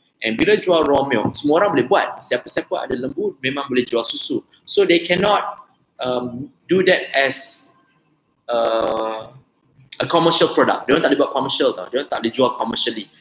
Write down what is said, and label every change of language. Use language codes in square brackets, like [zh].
[ms] And bila jual raw milk, semua orang boleh buat. Siapa-siapa ada lembu memang boleh jual susu. [en] So they cannot do that as a commercial product. [ms] Dia orang tak boleh buat commercial tau. Dia orang tak boleh jual commercially.